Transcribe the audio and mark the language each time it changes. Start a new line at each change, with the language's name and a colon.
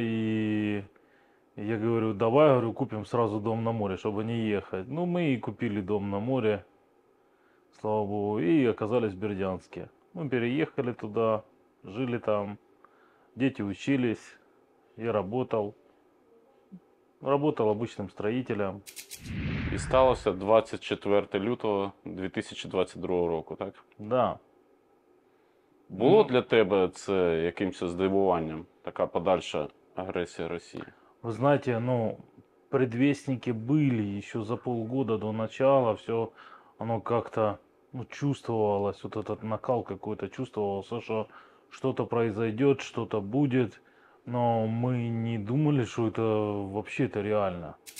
Russian: И я говорю, давай, говорю, купим сразу дом на море, чтобы не ехать. Ну, мы и купили дом на море, слава богу, и оказались в Бердянске. Мы переехали туда, жили там, дети учились, я работал. Работал обычным строителем.
Ukrainian: И сталося 24 лютого 2022 року, так?
Russian: Да.
Ukrainian: Було для тебе це якимось здивуванням, така подальша агресія Росії?
Russian: Вы знаете, ну, предвестники были еще за полгода до начала, все оно как-то, ну, чувствовалось, вот этот накал какой-то чувствовался, что что-то произойдет, что-то будет, но мы не думали, что это вообще это реально.